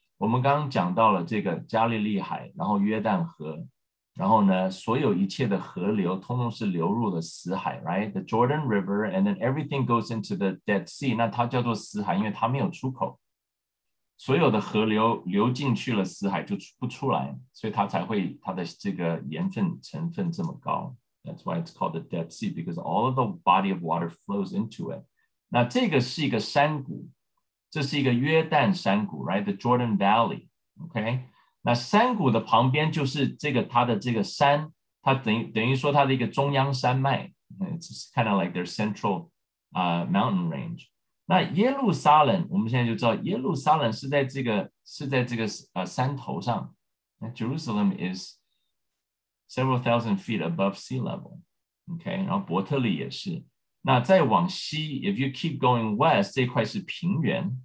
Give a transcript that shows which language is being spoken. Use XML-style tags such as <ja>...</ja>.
<zh>我们刚刚讲到了这个加利利海，然后约旦河，然后呢，所有一切的河流通通是流入了死海 ，</zh> <en>right？ The Jordan River and then everything goes into the Dead Sea，</en> <zh>那它叫做死海，因为它没有出口。所有的河流流进去了死海就不出来，所以它才会它的这个盐分成分这么高。</zh> <en>That's why it's called the Dead Sea because all of the body of water flows into it.</en> <zh>那这个是一个山谷，这是一个约旦山谷 ，</zh> <en>right? The Jordan Valley. OK.</en> <zh>那山谷的旁边就是这个它的这个山，它等于说它的一个中央山脉。</zh> <en>It's kind of like their central, mountain range.</en> <zh>那耶路撒冷，我们现在就知道耶路撒冷是在这个山头上。</zh> <en>那 Jerusalem is several thousand feet above sea level. Okay,</en> <zh>然后伯特利也是。那再往西 ，</zh> <en>if you keep going west，</en> <zh>这块是平原。</zh>